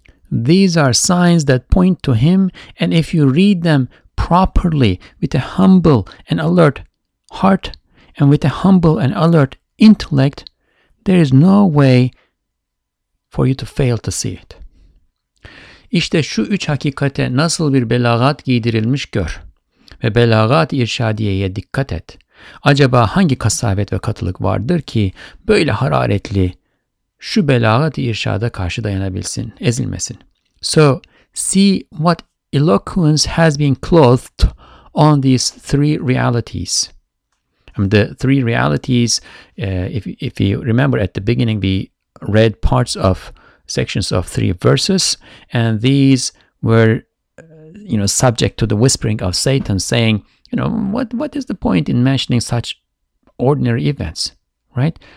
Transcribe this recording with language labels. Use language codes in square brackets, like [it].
[en] These are signs that point to him, and if you read them properly with a humble and alert heart and with a humble and alert intellect, there is no way for you to fail to see it. [tr] İşte şu üç hakikate nasıl bir belagat giydirilmiş gör ve belagat irşadiyeye dikkat et. Acaba hangi kasavet ve katılık vardır ki böyle hararetli şu belagat irşada karşı dayanabilsin, ezilmesin? [en] So, see what eloquence has been clothed on these three realities. The three realities, if you remember at the beginning, we read parts of sections of three verses, and these were, subject to the whispering of Satan saying, what is the point in mentioning such ordinary events, right?